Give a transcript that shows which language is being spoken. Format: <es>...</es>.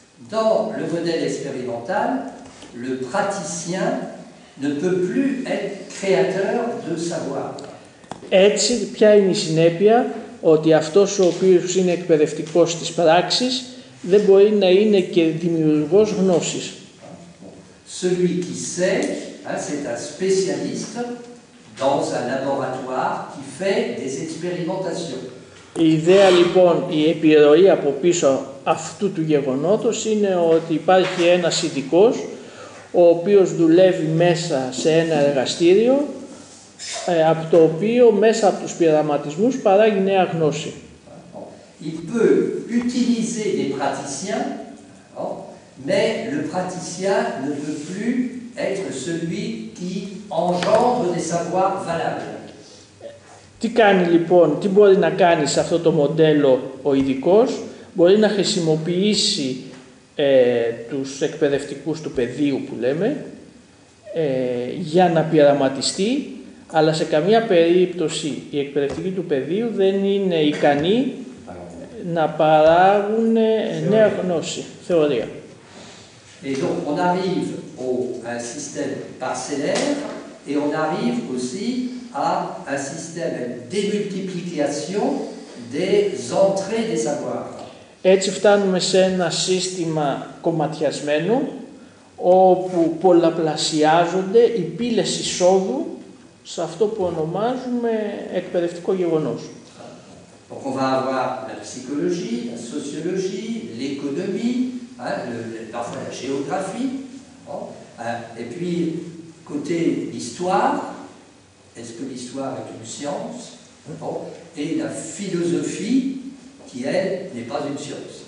<fr>Dans le modèle expérimental, le praticien ne peut plus être créateur de savoir.</fr> <el>Έτσι, ποια είναι η συνέπεια, ότι αυτός ο οποίος είναι εκπαιδευτικός της πράξης δεν μπορεί να είναι και δημιουργός γνώσης.</el> <fr>Celui qui sait, c'est un spécialiste dans un laboratoire qui fait des expérimentations.</fr> <el>Η ιδέα λοιπόν, η επιρροή από πίσω αυτού του γεγονότος είναι ότι υπάρχει ένας ειδικός ο οποίος δουλεύει μέσα σε ένα εργαστήριο από το οποίο μέσα από τους πειραματισμούς παράγει νέα γνώση.</el> <fr>Il peut utiliser des praticiens, mais le praticien ne peut plus être celui qui engendre des savoirs valables.</fr> <el>Τι κάνει λοιπόν, τι μπορεί να κάνει σε αυτό το μοντέλο ο ειδικός? Μπορεί να χρησιμοποιήσει τους εκπαιδευτικούς του πεδίου που λέμε για να πειραματιστεί, αλλά σε καμία περίπτωση οι εκπαιδευτικοί του πεδίου δεν είναι ικανοί να παράγουν νέα γνώση, θεωρία.</el> <fr>Et donc on arrive au un système parcellaire et on arrive aussi à un système de démultiplication des entrées des savoirs.</fr> <el>Έτσι φτάνουμε σε ένα σύστημα κομματιασμένο όπου πολλαπλασιάζονται οι πύλες εισόδου σε αυτό που ονομάζουμε εκπαιδευτικό γεγονός.</el> <fr>Donc on va avoir la psychologie, la sociologie, l'économie, parfois la géographie, et puis côté histoire, est-ce que l'histoire est une science, et la philosophie, qui elle n'est pas une science.</fr>